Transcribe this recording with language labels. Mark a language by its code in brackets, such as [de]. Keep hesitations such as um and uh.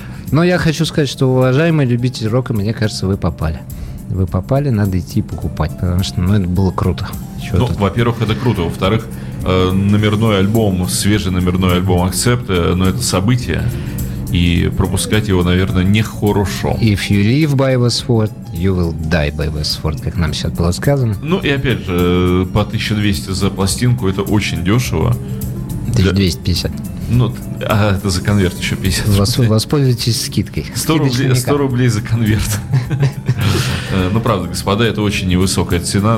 [ru] Но я хочу сказать, что, уважаемые любители рока, мне кажется, вы попали вы попали, надо идти покупать, потому что ну, это было круто. Чего ну, тут... во-первых, это круто. Во-вторых, номерной альбом, свежий номерной альбом Accept, но ну, это событие. И пропускать его, наверное, нехорошо. [en] If you live by the sword, you will die by the sword, [ru] как нам сейчас было сказано. Ну и опять же, по 1200 за пластинку это очень дешево. 1250. Для... Ну, а это за конверт еще 50 Вос, рублей. Воспользуйтесь скидкой. Скидочной 100 рублей, 100 рублей за конверт. Ну, правда, господа, это очень невысокая цена.